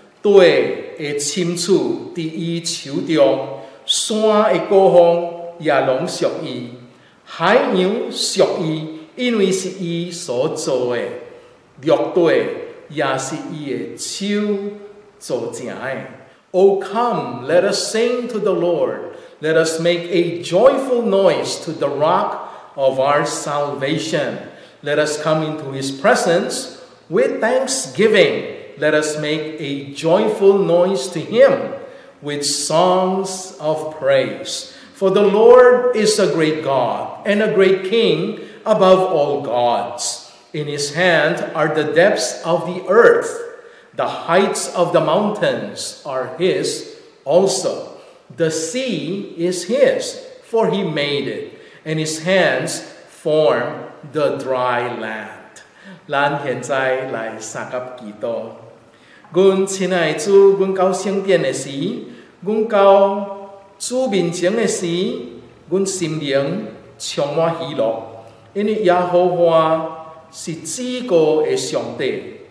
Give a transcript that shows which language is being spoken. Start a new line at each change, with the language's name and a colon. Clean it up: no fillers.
Min Nan Chinese: 地的深处在伊手中，山的高峰也拢属伊，海洋属伊，因为是伊所做的，陆地也是伊的手做成的。
English: O come, let us sing to the Lord. Let us make a joyful noise to the rock of our salvation. Let us come into his presence with thanksgiving. Let us make a joyful noise to him with songs of praise. For the Lord is a great God and a great King above all gods. In his hand are the depths of the earth. The heights of the mountains are his also. The sea is his, for he made it, and his hands form the dry land.
Min Nan Chinese: 咱现在来三甲祈祷。阮亲爱主，阮到圣殿的时，阮到主面前的时，阮心灵充满喜乐，因为耶和华是至高的上帝。